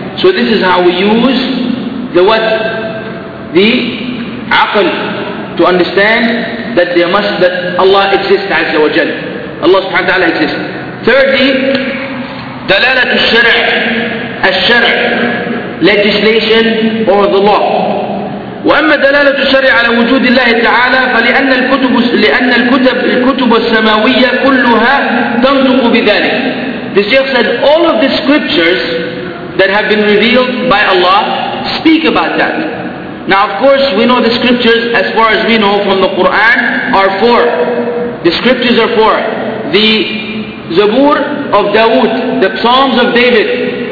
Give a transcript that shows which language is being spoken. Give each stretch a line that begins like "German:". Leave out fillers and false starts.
English: So this is how we use the what? The aql. To understand that there must, that Allah exists, Azza wa Jal. Allah subhanahu wa ta'ala exists. Thirdly, dalalat al-shari', al-shari', legislation or the law.
Arabic: وأما دلالة الشرع على وجود الله تعالى فلأن الكتب الكتب السماوية كلها تنطق بذلك.
English: The Shaykh said, all of the scriptures that have been revealed by Allah speak about that. Now of course we know the scriptures, as far as we know from the Quran, are four. The scriptures are four. The Zabur of Dawood, the Psalms of David.